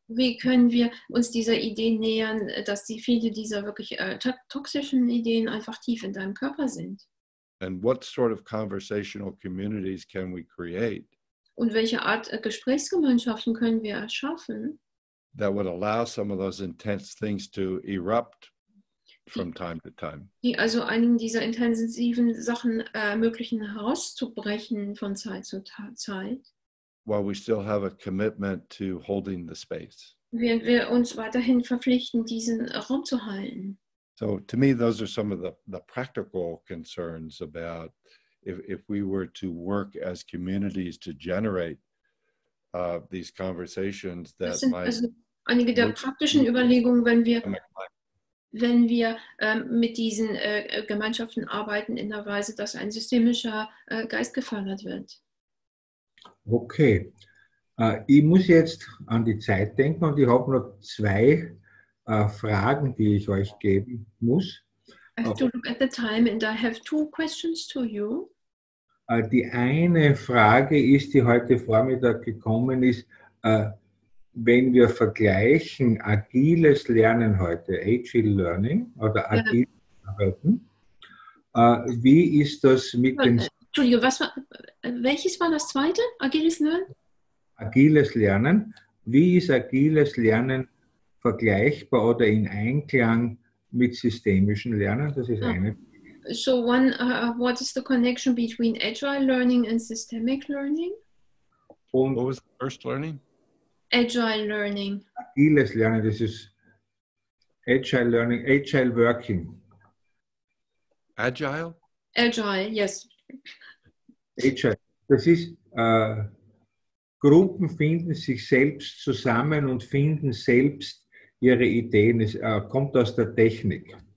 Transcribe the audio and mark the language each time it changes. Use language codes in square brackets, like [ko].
[de] Wie können wir uns dieser Idee nähern, dass die viele dieser wirklich toxischen Ideen einfach tief in deinem Körper sind? [en] And what sort of conversational communities can we create? [de] Und welche Art Gesprächsgemeinschaften können wir erschaffen? [en] That would allow some of those intense things to erupt from time to time. [de] Die also einigen dieser intensiven Sachen ermöglichen, herauszubrechen von Zeit zu Zeit. [en] While we still have a commitment to holding the space. [de] Während wir uns weiterhin verpflichten, diesen Raum zu halten. [en] So to me, those are some of the practical concerns about if we were to work as communities to generate these conversations that [de] Das sind also einige der praktischen Überlegungen, wenn wir mit diesen Gemeinschaften arbeiten in der Weise, dass ein systemischer Geist gefördert wird. Okay, ich muss jetzt an die Zeit denken und ich habe noch zwei Fragen, die ich euch geben muss. [en] I have to look at the time and I have two questions to you. [de] Die eine Frage ist, die heute Vormittag gekommen ist, wenn wir vergleichen agiles Lernen heute, Agile Learning oder agile Arbeiten, wie ist das mit den... Entschuldige, welches war das zweite? Agiles Lernen? Agiles Lernen. Wie ist agiles Lernen vergleichbar oder in Einklang mit systemischem Lernen? Das ist eine Frage. [en] So one, what is the connection between agile learning and systemic learning? Und what was the first learning? Agile learning. Agiles Lernen, this is agile learning, agile working. Agile? Agile, yes. [de] Agile, das ist, Gruppen finden sich selbst zusammen und finden selbst ihre Ideen, es kommt aus der Technik.